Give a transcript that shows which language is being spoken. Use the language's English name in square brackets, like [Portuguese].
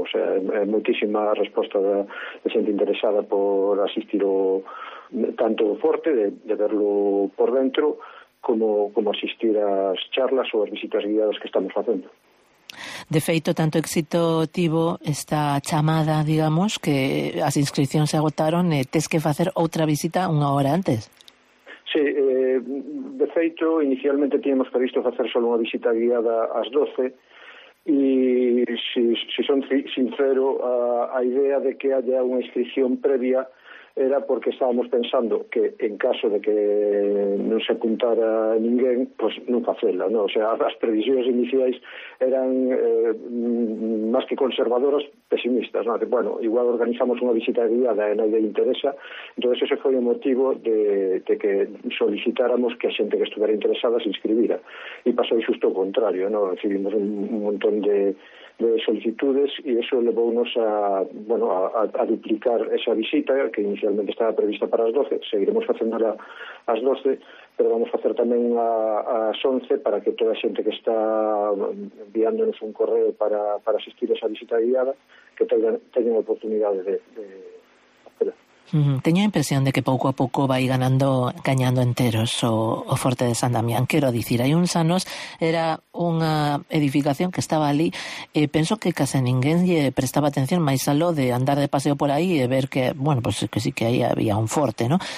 [Spanish] O sea, muchísima respuesta de gente interesada por asistir tanto al fuerte, de verlo por dentro, como asistir a las charlas o a las visitas guiadas que estamos haciendo. [Galician] De feito, tanto éxito tivo esta chamada, digamos, que as inscripcións se agotaron e tes que facer outra visita unha hora antes. Sí, de feito, inicialmente tínhamos previsto facer só unha visita guiada ás 12 e, si son sincero, a idea de que haya unha inscripción previa era porque estábamos pensando que en caso de que non se apuntara ninguén, pues non facela, ¿no? O sea, as previsións iniciais eran máis que conservadoras, pesimistas, ¿no? Que, bueno, igual organizamos unha visita guiada e nadie interesa, entonces ese foi o motivo de que solicitáramos que a xente que estuvera interesada se inscribira. E pasou xusto o contrario, ¿no? [Spanish] Recibimos un montón de solicitudes y eso llevónos a duplicar esa visita que inicialmente estaba prevista para las 12. Seguiremos haciéndola a las 12, pero vamos a hacer también a las 11 para que toda la gente que está enviándonos un correo para asistir a esa visita guiada que tengan oportunidad de hacerla. [Galician] Teño a impresión de que pouco a pouco vai gañando enteros o Forte de San Damián. Quero dicir, hai uns anos era unha edificación que estaba ali e penso que case ninguén lle prestaba atención máis aló de andar de paseo por aí e ver que, bueno, pues que sí que aí había un forte, ¿no?